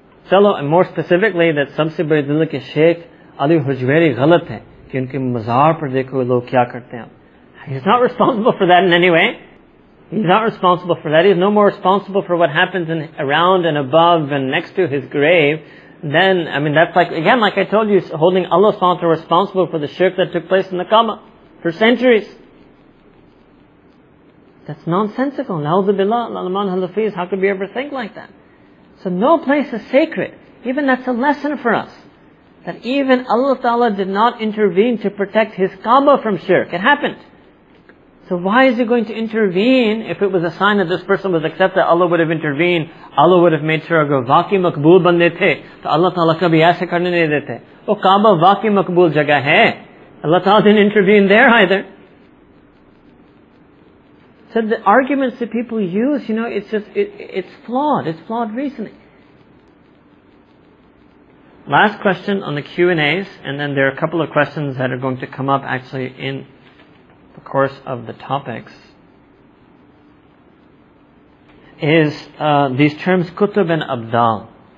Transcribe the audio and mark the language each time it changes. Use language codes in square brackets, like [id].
[ur] Allah [en] and more specifically that [ur] سب سے بڑے دل کے شیخ علی ہجویری غلط ہے کہ ان کے مزار پر دیکھو لوگ کیا کرتے ہیں۔ [en] He's not responsible for that in any way. He's not responsible for that. He's no more responsible for what happens in, around and above and next to his grave. Then, I mean, that's like, again, like I told you, holding Allah subhanahu wa ta'ala responsible for the shirk that took place in the Kaaba for centuries. That's nonsensical. Na'udhu billah, la'laman halafiz, how could we ever think like that? So no place is sacred. Even that's a lesson for us. That even Allah ta'ala did not intervene to protect his Kaaba from shirk. It happened. So why is he going to intervene if it was a sign that this person was accepted? Allah would have intervened. Allah would have made sure [ur] اگر واقعی مقبول بندے تھے، تو اللہ تعالیٰ کبھی ایسے کرنے نہیں دیتے۔ وہ کعبہ واقعی مقبول جگہ ہے۔ [en] Allah Ta'ala didn't intervene there either. So the arguments that people use, you know, it's just, it's flawed. It's flawed reasoning. Last question on the Q&As, and then there are a couple of questions that are going to come up actually in the course of the topics, is these terms Kutub and Abdal.